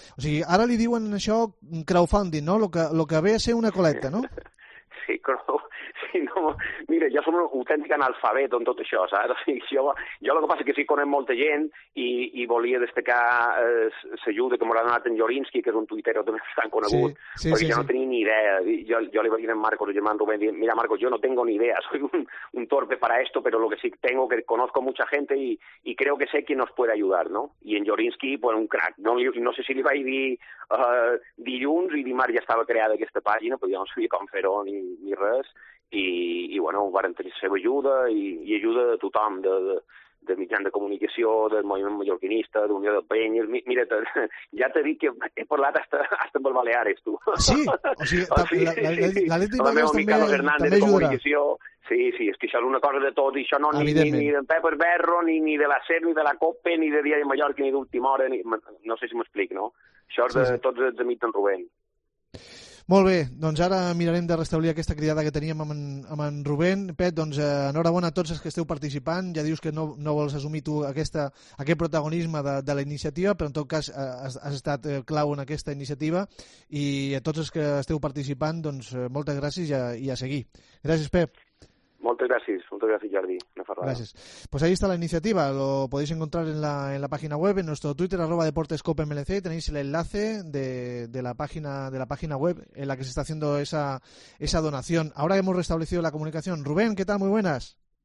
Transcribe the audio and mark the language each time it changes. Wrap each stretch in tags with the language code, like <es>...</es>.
<ca>O sigui, ara li diuen això crowdfunding, no? Lo que ve a ser una col·lecta, no? Sí, però, sí, no, mira, jo som un autèntic analfabet en tot això, saps? Jo el que passa és que sí que conec molta gent i volia destacar l'ajuda que m'ha donat en Jorinski, que és un tuitero també bastant conegut, sí, sí, perquè sí, jo sí, no tenia ni idea. Jo li vaig dir a Marcos, el germà Rubén, dient, mira, Marcos, jo</ca> <es>no tengo ni idea, soy un torpe para esto, pero lo que sí tengo, que conozco mucha gente y creo que sé quién nos puede ayudar, ¿no? Y en Jorinski, pues un crack.</es> <ca>No sé si li vaig dir dilluns i dimarts ja estava creada aquesta pàgina, però jo no sabia com fer-ho ni res, i bueno, varen tenir la seva ajuda i ajuda de tothom, de mitjan de comunicació, del moviment mallorquinista, d'Unió de Penyes. Mira, ja t'he dit que he parlat hasta amb el Baleares, tu. Sí, o sigui, l'Atlético de Baleares també ajuda. Sí, sí, és que això és una cosa de tot, i això no, ni d'en Pep Berro, ni de la SER, ni de la COPE, ni de Dia de Mallorca, ni d'Última Hora, ni, no sé si m'explic, no? Això és, sí, sí, de tots els amics d'en Rubén. Molt bé, doncs ara mirarem de restablir aquesta cridada que teníem amb en Rubén. Pep, doncs enhorabona a tots els que esteu participant. Ja dius que no vols assumir tu aquest protagonisme de la iniciativa, però en tot cas has estat clau en aquesta iniciativa. I a tots els que esteu participant, doncs moltes gràcies i a seguir. Gràcies, Pep. Moltes gràcies, Jordi. Gràcies.</ca> <es>Pues ahí está la iniciativa, lo podéis encontrar en la página web, en nuestro Twitter, @deportescopemlc, tenéis el enlace de la página web en la que se está haciendo esa donación. Ahora hemos restablecido la comunicación. Rubén, ¿qué tal? Muy buenas.</es>